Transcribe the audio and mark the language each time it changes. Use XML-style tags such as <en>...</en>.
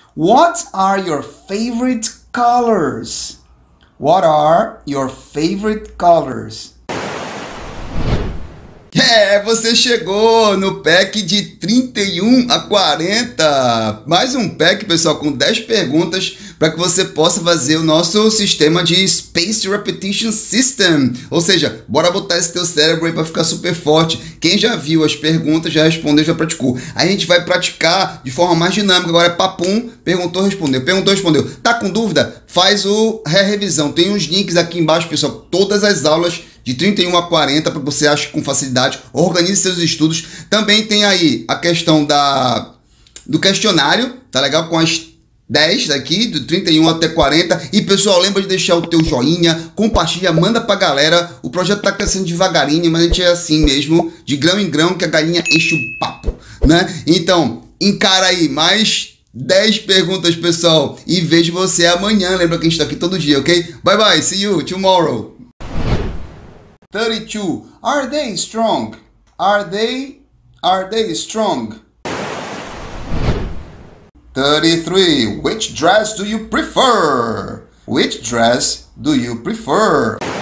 <en>What are your favorite colors? What are your favorite colors?</en> <pt>É, você chegou no pack de 31 a 40. Mais um pack, pessoal, com 10 perguntas para que você possa fazer o nosso sistema de Spaced Repetition System. Ou seja, bora botar esse teu cérebro aí para ficar super forte. Quem já viu as perguntas já respondeu, já praticou. Aí a gente vai praticar de forma mais dinâmica. Agora é papum, perguntou, respondeu. Perguntou, respondeu. Tá com dúvida? Faz o ré-revisão. Tem uns links aqui embaixo, pessoal, todas as aulas. De 31 a 40, para que você ache com facilidade, organize seus estudos. Também tem aí a questão do questionário, tá legal? Com as 10 daqui, do 31 até 40. E pessoal, lembra de deixar o teu joinha, compartilha, manda pra galera. O projeto tá crescendo devagarinho, mas a gente é assim mesmo, de grão em grão, que a galinha enche o papo, né? Então, encara aí mais 10 perguntas, pessoal, e vejo você amanhã. Lembra que a gente tá aqui todo dia, ok?</pt> <en>Bye bye, see you tomorrow. 32. Are they strong? Are they strong? 33. Which dress do you prefer? Which dress do you prefer?</en>